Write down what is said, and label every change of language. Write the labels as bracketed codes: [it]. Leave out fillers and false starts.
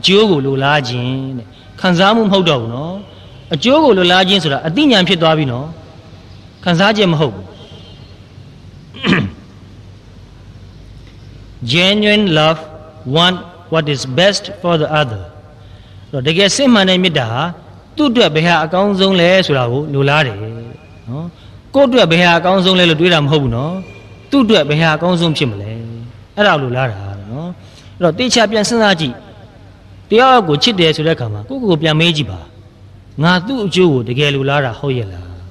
[my] ဒါပေမဲ့မြတ်တာအမြင်ဆုံးအစဉ်ရောက်တဲ့ခါမှာသူကခံစားမှုမဟုတ်တော့ဘူး။နော်။ဘာဖြစ်သွားမလဲ။အသိဉာဏ်နဲ့နားလဲပြီးတော့အကောင်းဆုံးအသင့်တော်ဆုံးဖြစ်အောင်ဆောင်ရွက်ပေးတာကိုပဲမြတ်တာလို့ခေါ်တာတဲ့နော်။အကျိုးကိုလိုလားခြင်းတဲ့။ ခံစားမှုမဟုတ်တော့ဘူးနော်အကျိုးကိုလိုလားခြင်းဆိုတာအသိဉာဏ်ဖြစ်သွားပြီနော်ခံစားခြင်းမဟုတ်ဘူး [en] genuine love want what is best for the other. [my] So တကယ်စိတ်မှန်တဲ့မေတ္တာသူ့အတွက်ဘယ်ဟာအကောင်းဆုံးလဲဆိုတာကိုလိုလားတယ်နော်ကိုယ့်အတွက်ဘယ်ဟာအကောင်းဆုံးလဲလို့တွေးတာမဟုတ်ဘူးနော်သူ့အတွက်ဘယ်ဟာအကောင်းဆုံးဖြစ်မလဲအဲ့ဒါလိုလားတာနော်အဲ့တော့တေချာပြန်စဉ်းစားကြည့်တရားကိုချစ်တယ်ဆိုတဲ့အခါမှာကိုယ့်ကိုယ်ကိုပြန်မေးကြည့်ပါငါသူ့အကျိုးကိုတကယ်လိုလားတာဟုတ်ရဲ့လား